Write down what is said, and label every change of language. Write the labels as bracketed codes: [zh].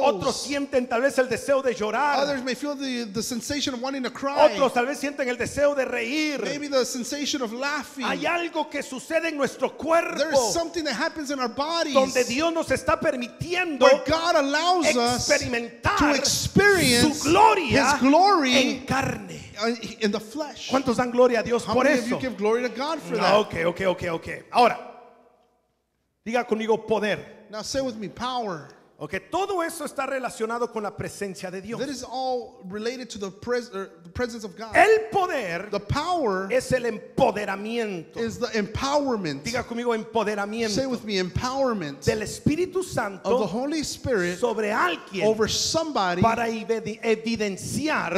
[es] Otros sienten tal vez el deseo de llorar. [en] Others may feel the sensation of wanting to cry. [es] Otros tal vez sienten el deseo de reír. [en] Maybe the sensation of laughing. [es] Hay algo que sucede en nuestro cuerpo. [en] There is something that happens in our bodies. [es] Donde Dios nos está permitiendo, [en] where God allows us to experience [es] su gloria, [en] his glory, [es] en carne, [en] in the flesh. [es] ¿Cuántos dan gloria a Dios por eso? [en] How many of you give glory to God for that? [es] Okay. Ahora, diga conmigo poder. [en] Now say with me power. [es] Okay, todo eso está relacionado con la presencia de Dios. [en] That is all related to the presence of God. [es] El poder, [en] the power, [es] es el empoderamiento, [en] is the empowerment. [es] Diga conmigo empoderamiento. [en] Say with me empowerment. [es] Del Espíritu Santo, [en] of the Holy Spirit, [es] sobre alguien, [en] over somebody, [es] para evidenciar,